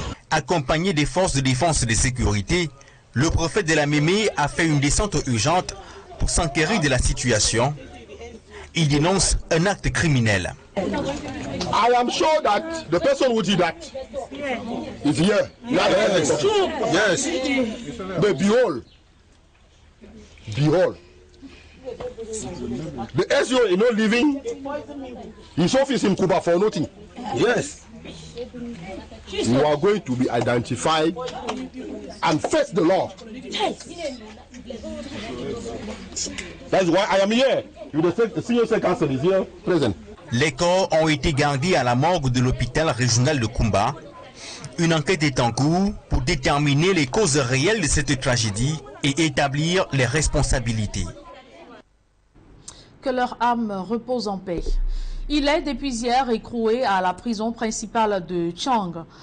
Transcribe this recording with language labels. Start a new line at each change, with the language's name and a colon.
French: Accompagné des forces de défense et de sécurité, le préfet de la Mémé a fait une descente urgente pour s'enquérir de la situation. Il dénonce un acte criminel.
English: I am sure that the person who did that is here. Yes. Yes. But behold. Behold. The SEO is not living. His office in Kuba for nothing. Yes. You are going to be identified and face the law. That's why I am here. You know, the senior secretary is here present.
French: Les corps ont été gardés à la morgue de l'hôpital régional de Kumba. Une enquête est en cours pour déterminer les causes réelles de cette tragédie et établir les responsabilités. Que leur âme repose en paix. Il est depuis hier écroué à la prison principale de Chang.